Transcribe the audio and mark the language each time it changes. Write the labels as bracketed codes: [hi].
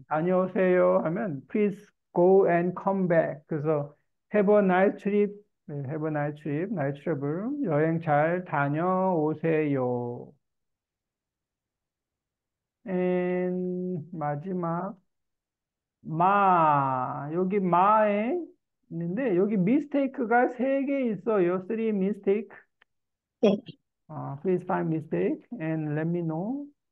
[ko] 다녀오세요 하면 [en] please go and come back. [ko] 그래서 [en] have a nice trip, nice travel. [ko] 여행 잘 다녀오세요. [en] And [ko] 마지막 마, 여기 마에 있는데 여기 미스테이크가 세개 있어요. [en] Three mistake. Please find mistake and let me know.